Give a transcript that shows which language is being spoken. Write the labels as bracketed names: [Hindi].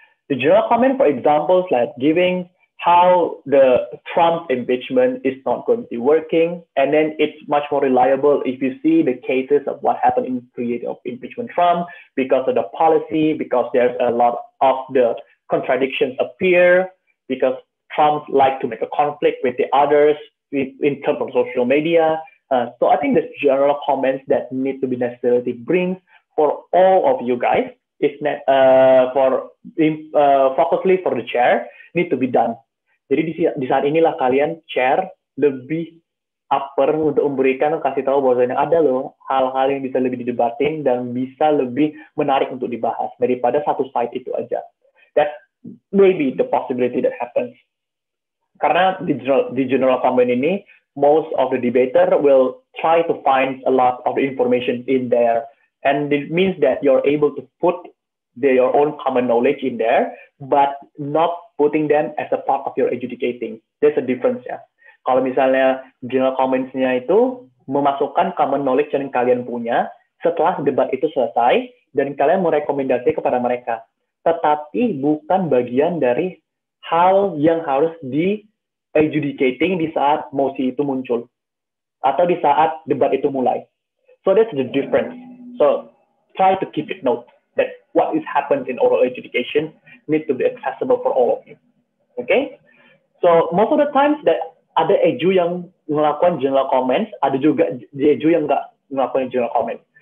[English] The general comment, for examples, like giving how the Trump impeachment is not going to be working, and then it's much more reliable if you see the cases of what happened in creative of impeachment Trump because of the policy, because there's a lot of the contradictions appear, because Trump like to make a conflict with the others in terms of social media. So I think the general comments that need to be necessarily bring for all of you guys, focusly for the chair, need to be done. [Indonesian] Jadi di saat inilah kalian chair lebih upper untuk memberikan kasih tahu bahwasanya ada loh hal-hal yang bisa lebih didebatin dan bisa lebih menarik untuk dibahas daripada satu side itu aja. [English] That maybe the possibility that happens. [Indonesian] Karena di general comment ini, [English] most of the debater will try to find a lot of information in there. And it means that you're able to put your own common knowledge in there, but not putting them as a part of your adjudicating. There's a difference, [Indonesian] ya. Kalau misalnya general comments-nya itu memasukkan common knowledge yang kalian punya setelah debat itu selesai, dan kalian merekomendasi kepada mereka. Tetapi bukan bagian dari hal yang harus di adjudicating di saat mosi itu muncul atau di saat debat itu mulai. [English] So that's the difference. So try to keep it note that what is happened in oral adjudication need to be accessible for all of you. Okay? So most of the times that [Indonesian] ada EJU yang melakukan general comments, ada juga EJU yang enggak melakukan general comments.